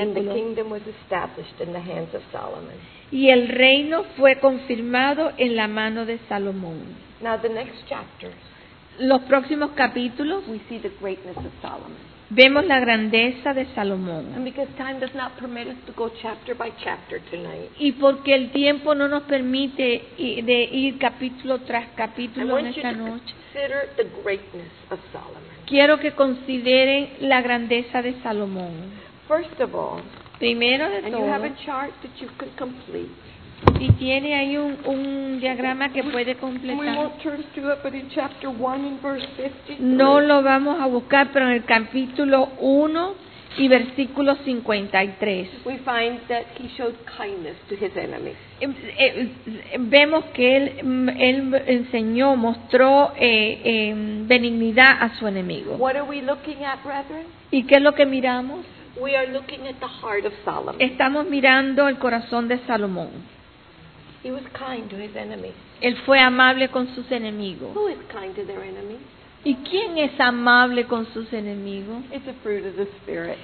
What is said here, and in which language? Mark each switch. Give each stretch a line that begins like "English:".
English: And the kingdom was established in the hands of Solomon.
Spanish: Y el reino fue confirmado en la mano de Salomón.
English: Now the next chapter.
Spanish: Los próximos capítulos
English: we see the greatness of Solomon.
Spanish: Vemos la grandeza de Salomón.
English: And because time does not permit us to go chapter by chapter tonight.
Spanish: Y porque el tiempo no nos permite de ir capítulo tras capítulo en esta noche.
English: Consider the greatness of Solomon.
Spanish: Quiero que consideren la grandeza de Salomón.
English: First of all,
Spanish: primero de
English: and
Spanish: todo,
English: you have a chart that you can complete.
Spanish: Y tiene ahí un diagrama que puede completar.
English: It,
Spanish: no lo vamos a buscar, pero en el capítulo 1, Y versículo 53.
English: We find that he showed kindness to his enemies.
Spanish: Vemos que él enseñó, mostró benignidad a su enemigo.
English: What are we looking at, brethren?
Spanish: ¿Y qué es lo que miramos?
English: We are looking at the heart of Solomon.
Spanish: Estamos mirando el corazón de Salomón.
English: He was kind to his enemies.
Spanish: Él fue amable con sus enemigos.
English: Who is kind to their enemies?
Spanish: ¿Y quién es amable con sus enemigos?
English: It's a fruit of the Spirit.